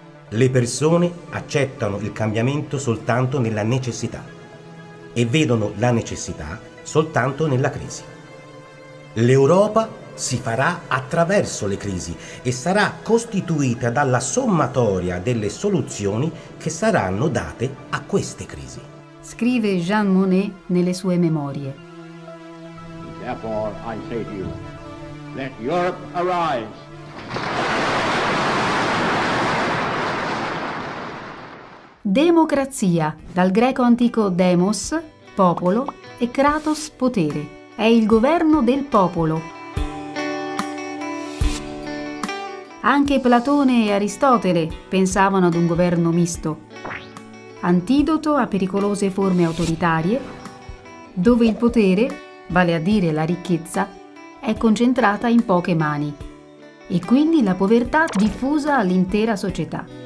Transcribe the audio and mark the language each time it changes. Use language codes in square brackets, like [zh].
[it] Le persone accettano il cambiamento soltanto nella necessità e vedono la necessità soltanto nella crisi. L'Europa si farà attraverso le crisi e sarà costituita dalla sommatoria delle soluzioni che saranno date a queste crisi. Scrive Jean Monnet nelle sue memorie. [en] Therefore I say to you, let Europe arise. [it] Democrazia, dal greco antico demos, popolo, e kratos, potere. È il governo del popolo. Anche Platone e Aristotele pensavano ad un governo misto, antidoto a pericolose forme autoritarie, dove il potere, vale a dire la ricchezza, è concentrata in poche mani e quindi la povertà diffusa all'intera società.